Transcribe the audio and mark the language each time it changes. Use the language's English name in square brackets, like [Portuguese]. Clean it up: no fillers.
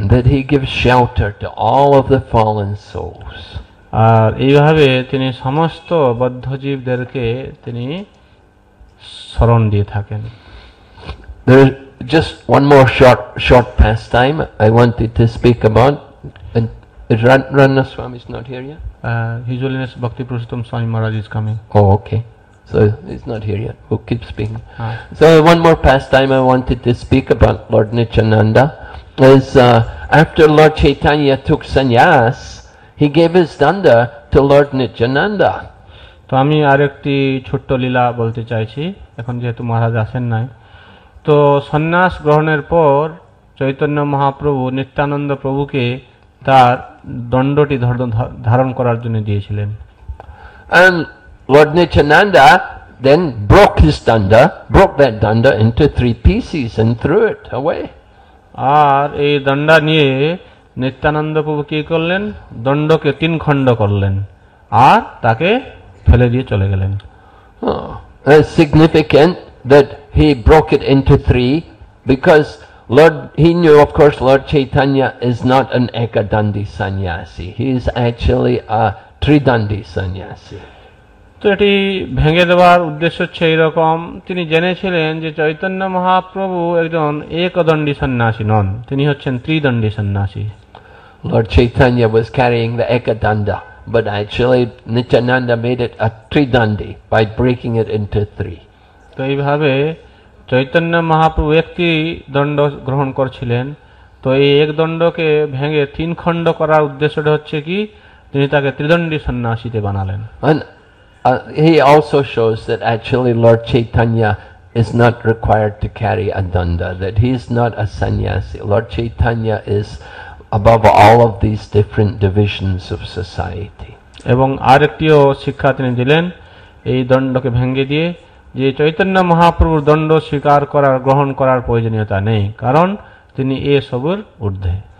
[English] that he gives shelter to all of the fallen souls [Bangla] আর এইভাবে তিনি সমস্ত বদ্ধ জীবদেরকে তিনি শরণ দিয়ে থাকেন [English] Just one more short pastime I wanted to speak about. And is Ranga Swami is not here yet? His Holiness Bhakti Purushottam Swami Maharaj is coming. Oh, okay. So he's not here yet. We'll keep speaking. So one more pastime I wanted to speak about Lord Nityananda. is after Lord Chaitanya took sannyas, he gave his danda to Lord Nityananda. [Bangla] তো আমি আরেকটি ছোট্ট লীলা বলতে চাইছি এখন যেহেতু মহারাজ আসেন নাই তো সন্ন্যাস গ্রহণের পর চৈতন্য মহাপ্রভু নিত্যানন্দ প্রভুকে তার দণ্ডটি ধারণ করার জন্য দিয়েছিলেন [English] and Lord Nityananda then broke his danda broke that danda into three pieces and threw it away [Bangla] আর এই দণ্ডা নিয়ে নিত্যানন্দ প্রভু কি করলেন দণ্ডকে তিন খণ্ড করলেন আর তাকে ফেলে দিয়ে চলে গেলেন [English] It's significant that he broke it into three because he knew of course Lord Chaitanya is not an ekadandi sannyasi he is actually a tridandi sannyasi [Bangla] তো এটি ভেঙে দেওয়ার উদ্দেশ্য হচ্ছে এইরকম তিনি জেনেছিলেন যে চৈতন্য মহাপ্রভু একজন একদণ্ডী সন্ন্যাসী নন তিনি হচ্ছেন ত্রিদণ্ডী সন্ন্যাসী [English] Lord Chaitanya was carrying the ekadanda but actually Nityananda made it a tridandi by breaking it into three [Bangla] তো এইভাবে চৈতন্য মহাপ্রভু একটি দণ্ড গ্রহণ করছিলেন তো এই এক দণ্ডকে ভেঙে তিন খণ্ড করার উদ্দেশ্যটা হচ্ছে কি তিনি তাকে ত্রিদণ্ডী সন্ন্যাসীতে বানালেন [English] He also shows that actually Lord Chaitanya is not required to carry a danda, that he is not a sannyasi. Lord Chaitanya is above all of these different divisions of society. [Bangla] এবং আরেকটিও শিক্ষা তিনি দিলেন এই দণ্ডকে ভেঙে দিয়ে যে চৈতন্য মহাপ্রভুর দণ্ড স্বীকার করার গ্রহণ করার প্রয়োজনীয়তা নেই কারণ তিনি এ সবুর ঊর্ধ্বে